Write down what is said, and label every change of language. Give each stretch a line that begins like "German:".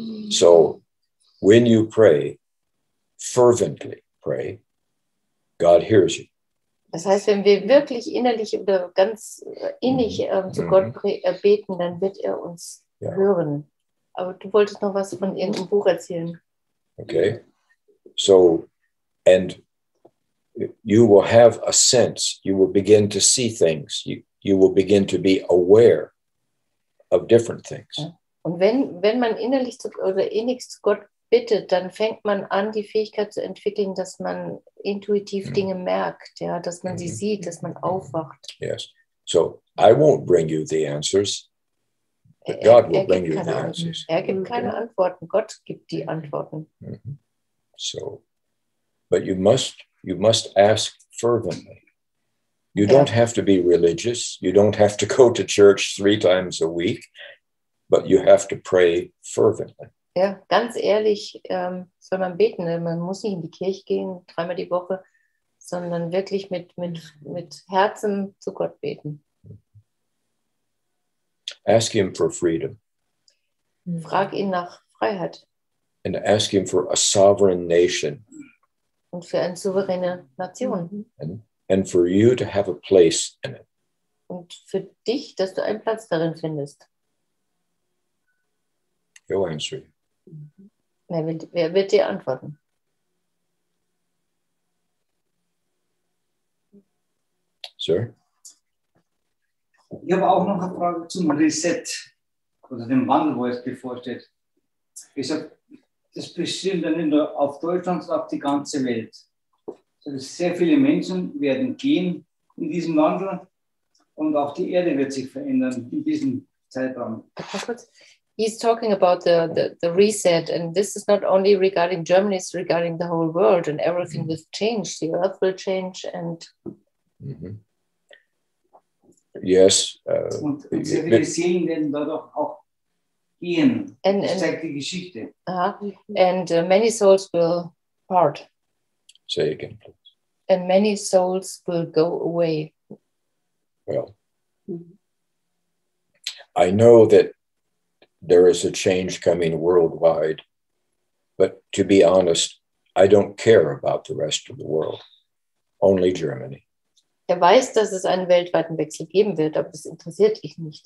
English: So when you pray, fervently pray, God hears you.
German: Das heißt, wenn wir wirklich innerlich oder ganz innig zu Gott beten, dann wird er uns hören. Aber du wolltest noch was von irgendeinem Buch erzählen.
English: Okay. So, and you will have a sense, you will begin to see things, you will begin to be aware of different things.
German: Und wenn man innerlich innig zu Gott bittet, dann fängt man an, die Fähigkeit zu entwickeln, dass man intuitiv Dinge merkt, ja, dass man sie sieht, dass man aufwacht.
English: Yes. So, I won't bring you the answers. God will bring you the answers.
German: Er gibt keine Antworten. Gott gibt die Antworten.
English: So, but you must ask fervently. You don't have to be religious. You don't have to go to church 3 times a week, but you have to pray fervently.
German: Ja, ganz ehrlich, soll man beten. Man muss nicht in die Kirche gehen, 3-mal die Woche, sondern wirklich mit Herzen zu Gott beten.
English: Ask him for freedom.
German: Frag ihn nach Freiheit.
English: And ask him for a sovereign nation.
German: Und für eine souveräne Nation.
English: And for you to have a place in it.
German: Und für dich, dass du einen Platz darin findest.
English: He'll answer you.
German: Wer wird dir antworten?
English: Sir?
German: Ich habe auch noch eine Frage zum Reset oder dem Wandel, wo es bevorsteht. Ich sage, das bestimmt dann nicht nur auf Deutschland, sondern auf die ganze Welt. Sehr viele Menschen werden gehen in diesem Wandel und auch die Erde wird sich verändern in diesem Zeitraum.
English: He's talking about the reset, and this is not only regarding Germany, it's regarding the whole world, and everything will change. The earth will change, and... Mm-hmm. Yes. And many souls will part. Say again, please. And many souls will go away. Well, I know that there is a change coming worldwide, but to be honest, I don't care about the rest of the world, only Germany.
German: Er weiß, dass es einen weltweiten Wechsel geben wird, aber das interessiert ihn nicht.